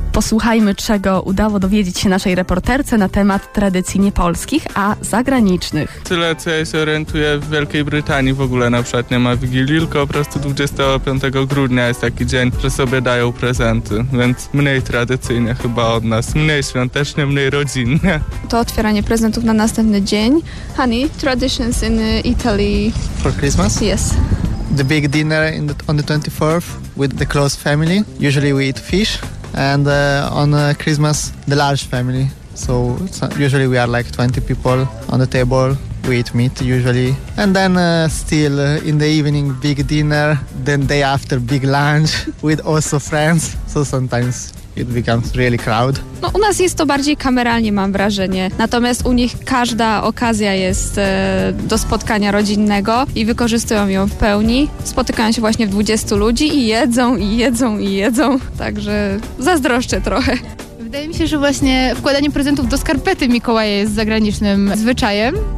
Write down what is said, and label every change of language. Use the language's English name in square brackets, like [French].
[Polish] Posłuchajmy, czego udało dowiedzieć się naszej reporterce na temat tradycji nie polskich, a zagranicznych. Tyle, co ja się orientuję, w Wielkiej Brytanii w ogóle na przykład nie ma Wigilii, tylko po prostu 25 grudnia jest taki dzień, że sobie dają prezenty, więc mniej tradycyjnie chyba od nas, mniej świątecznie, mniej rodzinnie. To otwieranie prezentów na następny dzień. [English] Honey, traditions in Italy. For Christmas? Yes. The big dinner in the, on the 24th with the close family. Usually we eat fish and on Christmas the large family. So it's usually we are like 20 people on the table. We eat meat usually. And then still in the evening big dinner. Then day after big lunch with also friends. So sometimes it becomes really crowd. [Polish] No, u nas jest to bardziej kameralnie, mam wrażenie. Natomiast u nich każda okazja jest do spotkania rodzinnego i wykorzystują ją w pełni. Spotykają się właśnie w 20 ludzi i jedzą, i jedzą, i jedzą. Także zazdroszczę trochę. Wydaje mi się, że właśnie wkładanie prezentów do skarpety Mikołaja jest zagranicznym zwyczajem.